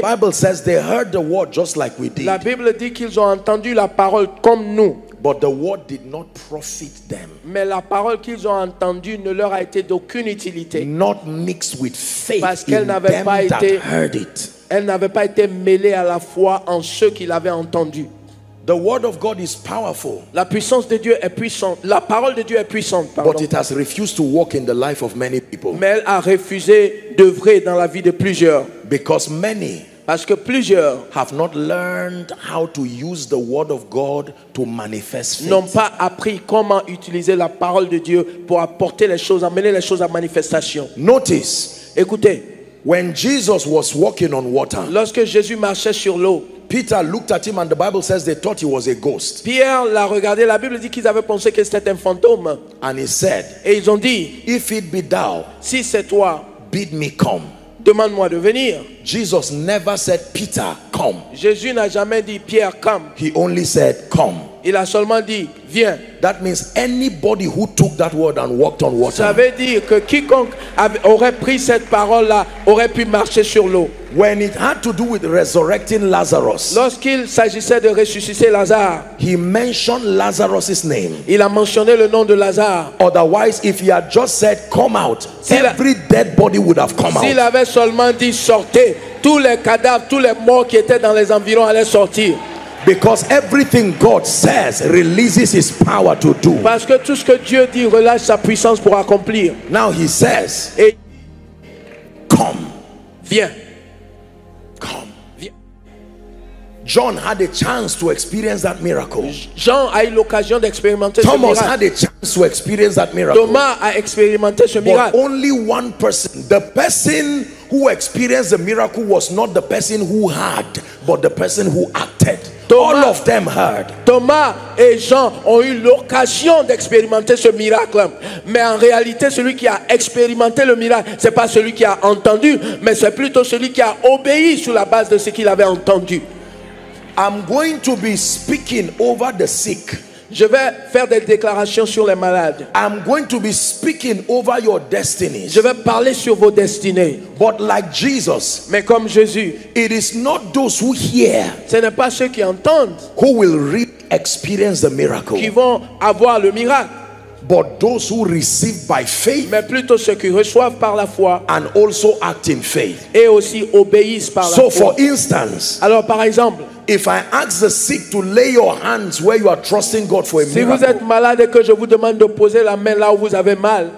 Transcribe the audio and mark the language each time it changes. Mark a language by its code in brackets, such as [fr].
[en] The Bible says they heard the word just like we did. [fr] La Bible dit qu'ils ont entendu la parole comme nous. [en] But the word did not profit them. [fr] Mais la parole qu'ils ont entendue ne leur a été d'aucune utilité. [en] Not mixed with faith. [fr] Parce qu'elle n'avait pas été, [en] heard it. [fr] Elle n'avait pas été mêlée à la foi en ceux qui l'avaient entendue. [en] The word of God is powerful. [fr] La puissance de Dieu est puissante. La parole de Dieu est puissante. Pardon. [en] But it has refused to walk in the life of many people. [fr] Mais elle a refusé d'œuvrer dans la vie de plusieurs. [en] Because many, [fr] parce que plusieurs, [en] have not learned how to use the word of God to manifest faith. [fr] N'ont pas appris comment utiliser la parole de Dieu pour apporter les choses, amener les choses à manifestation. [en] Notice, [fr] écoutez, [en] when Jesus was walking on water, [fr] lorsque Jésus marchait sur l'eau, [en] Peter looked at him and the Bible says they thought he was a ghost. [fr] Pierre l'a regardé, la Bible dit qu'ils avaient pensé que c'était un fantôme. [en] And he said, [fr] et ils ont dit, [en] if it be thou, [fr] si c'est toi, [en] bid me come. [fr] Demande-moi de venir. [en] Jesus never said, Peter, come. [fr] Jésus n'a jamais dit, Pierre, come. [en] He only said, come. [fr] Il a seulement dit, viens. [en] That means anybody who took that word and walked on water. [fr] Ça veut dire que quiconque aurait pris cette parole-là aurait pu marcher sur l'eau. [en] When it had to do with resurrecting Lazarus, [fr] lorsqu'il s'agissait de ressusciter Lazare, [en] he mentioned Lazarus's name. [fr] Il a mentionné le nom de Lazare. [en] Otherwise, if he had just said, come out, every dead body would have come out. [fr] S'il avait seulement dit, sortez, tous les cadavres, tous les morts qui étaient dans les environs allaient sortir. [en] Because everything God says releases his power to do. [fr] Parce que tout ce que Dieu dit relâche sa puissance pour accomplir. [en] Now he says, [fr] et, [en] come. [fr] Viens. [en] Come. [fr] Viens. [en] John had a chance to experience that miracle. [fr] Jean a eu l'occasion d'expérimenter [en] Thomas [fr] ce miracle. [en] Thomas had a chance to experience that miracle. [fr] Thomas a expérimenté ce miracle. [en] But only one person, the person who experienced the miracle was not the person who had, but the person who acted. [fr] Thomas, [en] all of them heard. [fr] Thomas et Jean ont eu l'occasion d'expérimenter ce miracle. Mais en réalité, celui qui a expérimenté le miracle, ce n'est pas celui qui a entendu, mais c'est plutôt celui qui a obéi sur la base de ce qu'il avait entendu. [en] I'm going to be speaking over the sick. [fr] Je vais faire des déclarations sur les malades. [en] I'm going to be speaking over your destinies. [fr] Je vais parler sur vos destinées. [en] But like Jesus, [fr] mais comme Jésus, [en] it is not those who hear, [fr] ce n'est pas ceux qui entendent, [en] who will reap experience the miracle, [fr] qui vont avoir le miracle, [en] but those who receive by faith, [fr] mais plutôt ceux qui reçoivent par la foi, [en] and also act in faith, [fr] et aussi obéissent par la [en] so [fr] foi. [en] So for instance, [fr] alors par exemple, [en] if I ask the sick to lay your hands where you are trusting God for a miracle, [fr] si vous êtes malade et que je vous demande de poser la main là où vous avez mal,